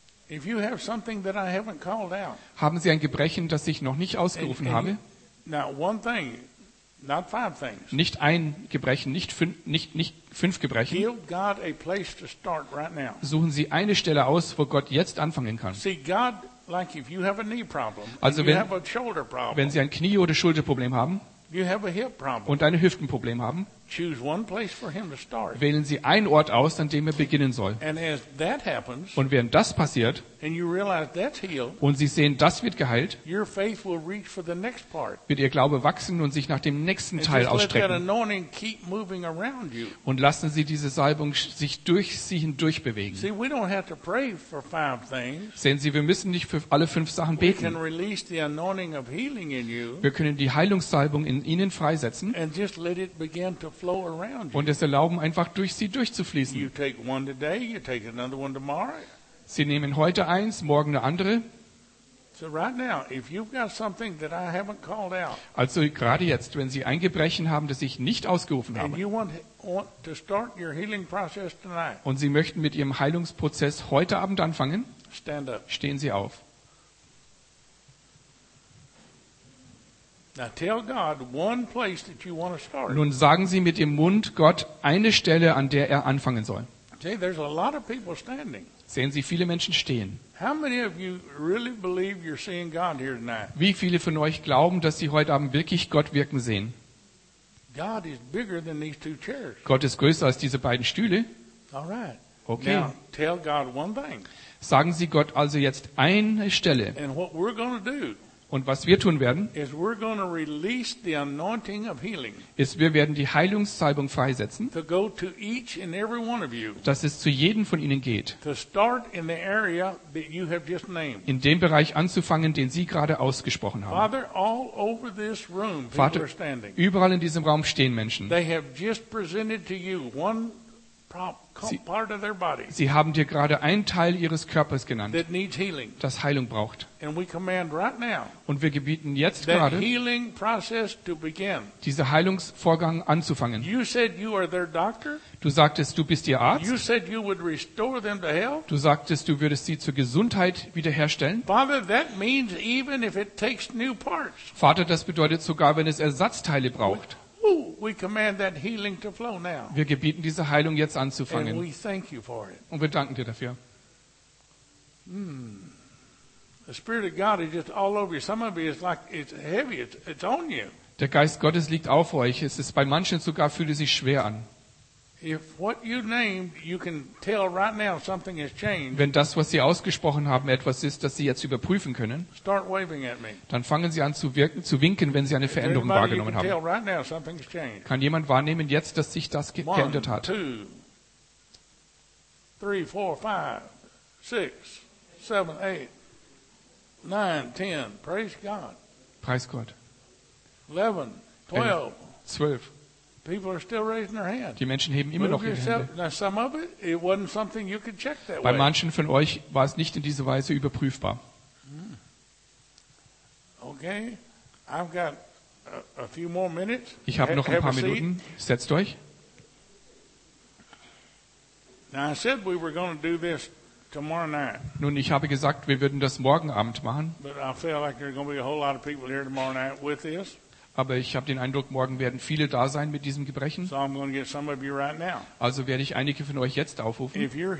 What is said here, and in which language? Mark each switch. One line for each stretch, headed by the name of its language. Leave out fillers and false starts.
English: If you have something that I haven't called out,
German: haben Sie ein Gebrechen, das ich noch nicht ausgerufen habe?
English: Now one thing, not five things.
German: Nicht ein Gebrechen, nicht fünf Gebrechen.
English: Give God a place to start right now.
German: Suchen Sie eine Stelle aus, wo Gott jetzt anfangen kann.
English: See, God, like if you have a knee problem,
German: also
English: if you have a shoulder problem,
German: wenn Sie ein Knie- oder Schulterproblem haben
English: you have a hip problem,
German: und ein Hüftenproblem haben,
English: Choose one place for him to start.
German: Wählen Sie einen Ort aus, an dem er beginnen soll.
English: And as that happens,
German: und während das passiert,
English: and you realize that's healed,
German: und Sie sehen, das wird geheilt,
English: your faith will reach for the next part.
German: Wird Ihr Glaube wachsen und sich nach dem nächsten Teil ausstrecken.
English: Let that anointing keep moving around you.
German: Und lassen Sie diese Salbung sich durch Sie hindurch bewegen.
English: See, we don't have to pray for five things.
German: Sehen Sie, wir müssen nicht für alle fünf Sachen beten.
English: We can release the anointing of healing in you.
German: Wir können die Heilungssalbung in Ihnen freisetzen und es einfach beginnen zu fließen. Und es erlauben, einfach durch sie durchzufließen.
English: You take one today, you take another one tomorrow.
German: Sie nehmen heute eins, morgen eine andere.
English: So right now, if you've got something that I haven't called out,
German: also gerade jetzt, wenn Sie ein Gebrechen haben, das ich nicht ausgerufen habe,
English: and you want to start your healing process tonight,
German: und Sie möchten mit Ihrem Heilungsprozess heute Abend anfangen,
English: stand up.
German: Stehen Sie auf.
English: Now tell God one place that you want to start.
German: Nun sagen Sie mit dem Mund Gott eine Stelle, an der er anfangen soll.
English: See, there's a lot of people standing.
German: Sehen Sie, viele Menschen stehen.
English: How many of you really believe you're seeing God here tonight?
German: Wie viele von euch glauben, dass Sie heute Abend wirklich Gott wirken sehen?
English: God is bigger than these two chairs.
German: Gott ist größer als diese beiden Stühle.
English: All right.
German: Okay.
English: Now tell God one thing.
German: Sagen Sie Gott also jetzt eine Stelle.
English: And what we're going to do,
German: und was wir tun werden,
English: is we're going to release the anointing of healing,
German: ist, wir werden die Heilungssalbung freisetzen,
English: to go to each and every one of you,
German: dass es zu jedem von Ihnen geht,
English: to start in the area that you have just named,
German: in dem Bereich anzufangen, den Sie gerade ausgesprochen haben.
English: Father, all over this room,
German: Vater,
English: people are standing.
German: Überall in diesem Raum stehen Menschen.
English: They have just presented to you one part of their body,
German: Sie haben dir gerade einen Teil ihres Körpers genannt,
English: that needs healing,
German: das Heilung braucht.
English: And we command right now,
German: und wir gebieten jetzt gerade,
English: healing process to begin,
German: diese Heilungsvorgang anzufangen.
English: You said you are their doctor.
German: Du sagtest, du bist ihr Arzt.
English: You said you would restore them to health.
German: Du sagtest, du würdest sie zur Gesundheit wiederherstellen.
English: Father, that means even if it takes new parts.
German: Vater, das bedeutet sogar, wenn es Ersatzteile braucht.
English: We command that healing to flow now.
German: Wir gebieten diese Heilung jetzt anzufangen.
English: And we thank you for it.
German: Und wir danken dir dafür.
English: The Spirit of God is just all over you. Some of you, it's like it's heavy. It's on you.
German: Der Geist Gottes liegt auf euch. Es ist bei manchen sogar, fühlt es sich schwer an.
English: If what you named, you can tell right now something has changed.
German: Wenn das, was Sie ausgesprochen haben, etwas ist, das Sie jetzt überprüfen können,
English: start waving at me.
German: Dann fangen Sie an zu winken, wenn Sie eine Veränderung wahrgenommen haben.
English: Tell right now something has changed.
German: Kann jemand wahrnehmen jetzt, dass sich das geändert hat?
English: 1, 2, 3, 4, 5, 6, 7, 8, 9, 10. Praise God.
German: Preis Gott.
English: 11, 12. People are still raising their hand.
German: Die Menschen heben immer Move noch ihre Hände. Bei manchen von euch war es nicht in dieser Weise überprüfbar.
English: Okay. I've got a few more minutes.
German: Ich habe noch ein paar Minuten. Setzt euch.
English: Now I said we were going to do this tomorrow night.
German: Nun, ich habe gesagt, wir würden das morgen Abend machen.
English: But I feel like there are going to be a whole lot of people here tomorrow night with this.
German: Aber ich habe den Eindruck, morgen werden viele da sein mit diesem Gebrechen. Also werde ich einige von euch jetzt aufrufen.